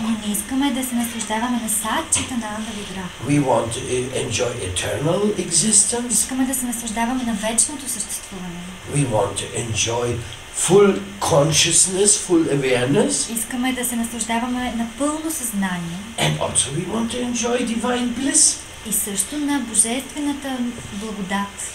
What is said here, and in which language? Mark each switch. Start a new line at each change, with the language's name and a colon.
Bulgarian: Но ние искаме да се наслаждаваме на Satchit Ananda Vigraha.
English: We want to enjoy eternal existence.
Bulgarian: Искаме да се наслаждаваме на вечното съществуване.
English: We want to enjoy full consciousness, full awareness.
Bulgarian: Искаме да се наслаждаваме на пълно съзнание.
English: And also we want to enjoy divine bliss.
Bulgarian: И също на божествената благодат.